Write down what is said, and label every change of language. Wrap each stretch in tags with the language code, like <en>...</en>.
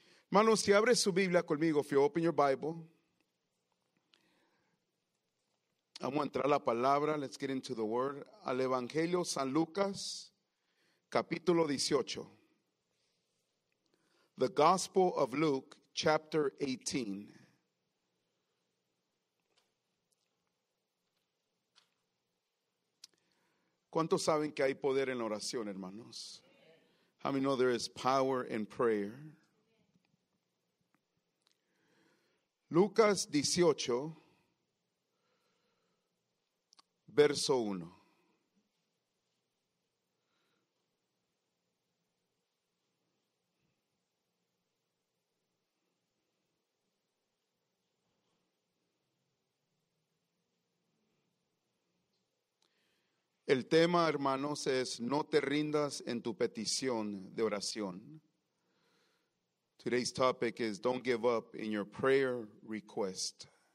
<es>Hermanos, si abre su Biblia conmigo,</es> <en>if you open your Bible,</en> <es>vamos a entrar a la palabra,</es> <en>let's get into the word,</en> <es>al Evangelio San Lucas, capítulo 18.</es> <en>The Gospel of Luke, chapter 18.</en> <es>¿Cuántos saben que hay poder en la oración, hermanos?</es> <en>How many know there is power in prayer?</en> <es>Lucas 18, verso 1. El tema, hermanos, es no te rindas en tu petición de oración.</es> <en>Today's topic is don't give up in your prayer request.</en>